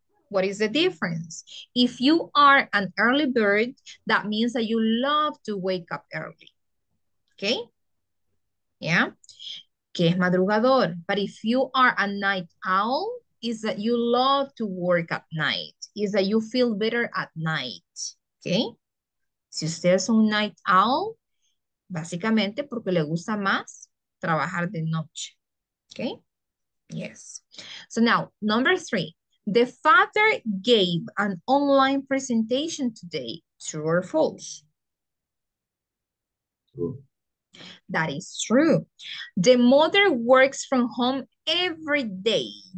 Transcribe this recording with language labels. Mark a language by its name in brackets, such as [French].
[English] What is the difference? If you are an early bird, that means that you love to wake up early. Okay? Yeah? [Spanish] Que es madrugador. [English] But if you are a night owl, is that you love to work at night. Is that you feel better at night. Okay? [Spanish] Si usted es un night owl, básicamente porque le gusta más trabajar de noche. [English] Okay? Yes. So now, number three. The father gave an online presentation today, true or false? True. That is true. The mother works from home every day.